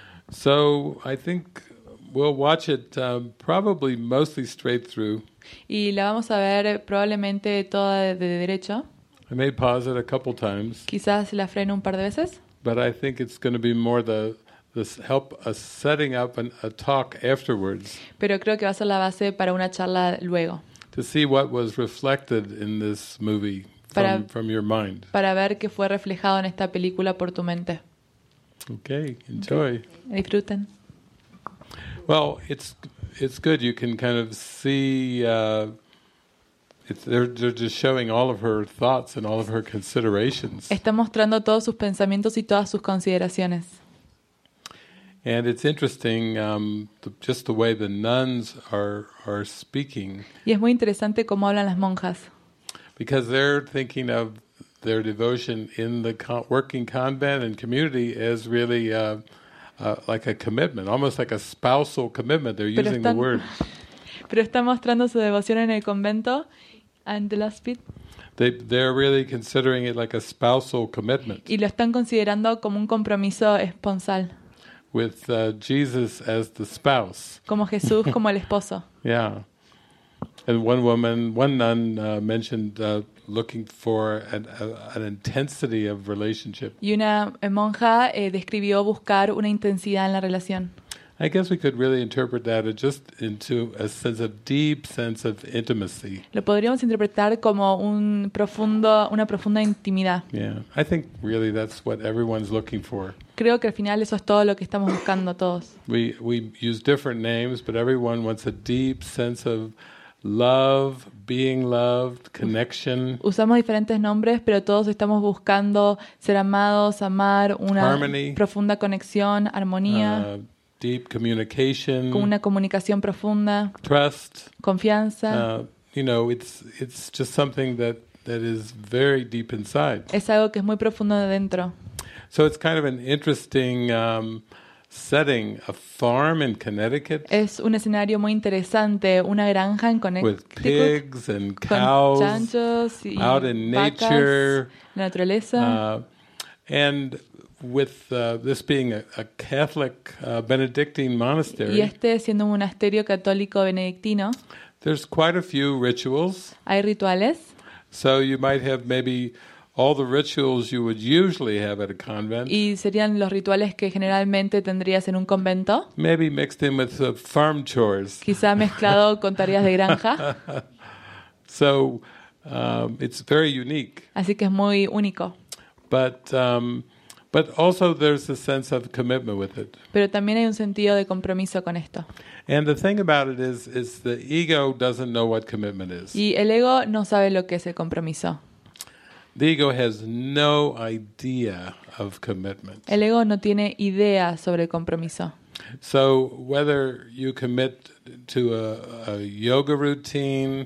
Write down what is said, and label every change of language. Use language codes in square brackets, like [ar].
[en] So I think we'll watch it probably mostly straight through. [es] Y la vamos a ver probablemente toda de derecho. [en] I may pause it a couple times. [es] Quizás la freno un par de veces. [en] But I think it's going to be more the help us setting up a talk afterwards. [es] Pero creo que va a ser la base para una charla luego. [en] To see what was reflected in this movie from your mind. [es] Para ver qué fue reflejado en esta película por tu mente. [en] Okay, enjoy. [es] Okay. Disfruten. [en] Well, it's good. You can kind of see they're just showing all of her thoughts and all of her considerations. [es] Está mostrando todos sus pensamientos y todas sus consideraciones. [en] And it's interesting just the way the nuns are speaking. [es] Y es muy interesante cómo hablan las monjas. [en] Because they're thinking of their devotion in the working convent and community as really like a commitment, almost like a spousal commitment. They're using the word. [es] Pero está mostrando su devoción en el convento [en] and the last bit. They're really considering it like a spousal commitment. [es] Y lo están considerando como un compromiso esponsal. [en] With Jesus as the spouse. [es] Como Jesús como el esposo. [en] Yeah. And one nun mentioned looking for an intensity of relationship. [es] Y una monja describió buscar una intensidad en la relación. [en] I guess we could really interpret that just into a sense of deep sense of intimacy. [es] Lo podríamos interpretar como una profunda intimidad. [en] Yeah, I think really that's what everyone's looking for. [es] Creo que al final eso es todo lo que estamos buscando todos. [en] We use different names, but everyone wants a deep sense of love, being loved, connection. [es] Usamos diferentes nombres, pero todos estamos buscando ser amados, amar, una [en] harmony, [es] profunda conexión, armonía. [en] Deep communication, [es] con una comunicación profunda, [en] trust, [es] confianza. [en] You know, it's just something that is very deep inside. [es] Es algo que es muy profundo de dentro. [en] So it's kind of an interesting setting, a farm in Connecticut. [es] Es un escenario muy interesante, una granja en Connecticut. [en] With pigs and cows, [es] con chanchos y [en] out in [es] vacas, [en] nature, [es] la naturaleza, [en] and with this being a Catholic Benedictine monastery. [es] Y este siendo un monasterio católico benedictino. [en] There's quite a few rituals. [es] Hay rituales. [en] So you might have maybe all the rituals you would usually have at a convent. [es] Y serían los rituales que generalmente tendrías en un convento. [en] Maybe mixed in with farm chores. [es] Quizá mezclado con tareas de granja. [en] So it's very unique. [es] Así que es muy único. [en] But also there's a sense of commitment with it. [es] Pero también hay un sentido de compromiso con esto. [en] And the thing about it is the ego doesn't know what commitment is. [es] Y el ego no sabe lo que es el compromiso. [en] The ego has no idea of commitment. [es] El ego no tiene idea sobre el compromiso. [en] So whether you commit to a yoga routine,